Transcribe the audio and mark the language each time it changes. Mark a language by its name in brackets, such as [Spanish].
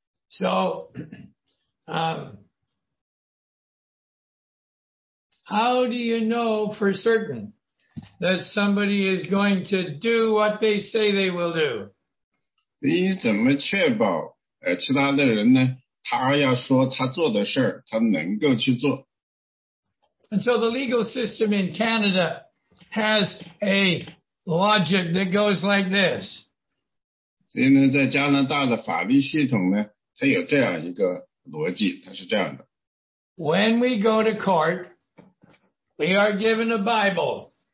[English] So, how do you know for certain that somebody is going to do what they say they will do? [Chinese] 你怎么确保, 其他的人呢, 他要说他做的事儿, 他能够去做。 [English] And so the legal system in Canada has a logic that goes like this. [Chinese] 所以呢, 在加拿大的法律系统呢, 它有这样一个逻辑, 它是这样的。 [English] When we go to court, we are given a Bible.